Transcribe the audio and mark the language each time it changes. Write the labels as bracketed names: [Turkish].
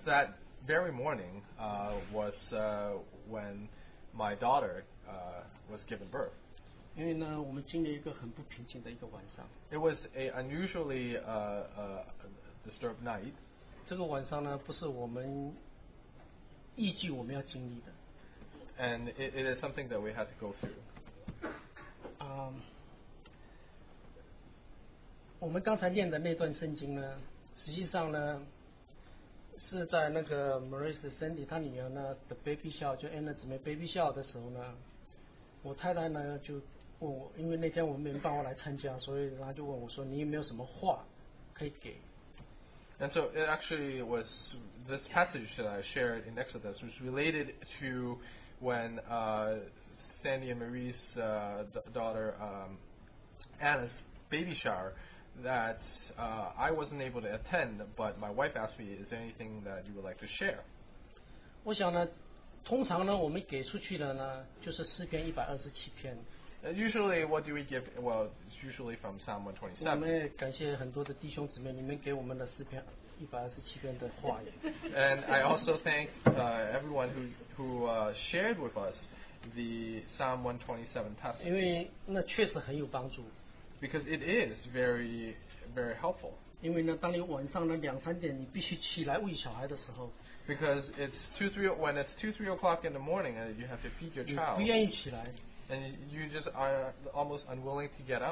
[English] that very morning was when my daughter was given birth. [Chinese] 因为呢，我们经历一个很不平静的一个晚上。 [English] It was a unusually disturbed night. [Chinese] 这个晚上呢，不是我们预计我们要经历的。 [English] And it is something that we had to go through. [Chinese] 我们刚才念的那段圣经呢，实际上呢，是在那个 Marissa Sandy 她女儿呢的 baby shower， 就 Anna 姊妹 baby shower 的时候呢，我太太呢就问我，因为那天我们没人帮我来参加，所以她就问我说，你有没有什么话可以给。 [English] And so it actually was this passage that I shared in Exodus was related to when Sandy and Marie's daughter Anna's baby shower that I wasn't able to attend, but my wife asked me, is there anything that you would like to share? [Chinese] 我想呢,通常呢,我们给出去的呢,就是诗篇127篇。 [English] Usually, what do we give? Well, it's usually from Psalm 127. [Chinese] 我们也感谢很多的弟兄姊妹，你们给我们的诗篇127篇的话语。 [English] And I also thank everyone who shared with us the Psalm 127 passage. [Chinese] 因为那确实很有帮助。 [English] Because it is very, very helpful. [Chinese] 因为呢，当你晚上呢两三点，你必须起来喂小孩的时候。 [English] Because it's when it's 2-3 o'clock in the morning, and you have to feed your child. [Chinese] 你不愿意起来。 [English] And you just are almost unwilling to get up.